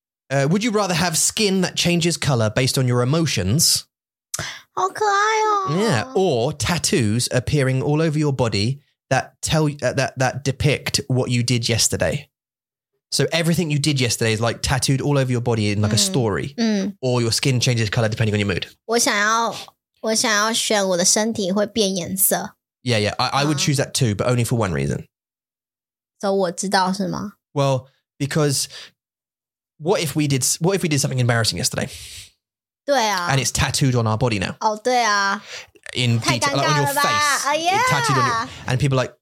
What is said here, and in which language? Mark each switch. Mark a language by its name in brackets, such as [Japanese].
[English] Would you rather have skin that changes color based on your emotions? [Chinese] 好可爱哦. [English] Yeah, or tattoos appearing all over your body... That depict what you did yesterday. So everything you did yesterday is like tattooed all over your body in like a story. Or your skin changes color depending on your mood. [Chinese] 我想要选我的身体会变颜色。 [English] Yeah, yeah. I would choose that too, but only for one reason. [Chinese] So 我知道是吗? [English] Well, because what if we did something embarrassing yesterday? [Chinese] 对啊。 [English] And it's tattooed on our body now. [Chinese] 哦，对啊。 [English] In detail, like on your face, yeah. Tattooed on your, and people are like,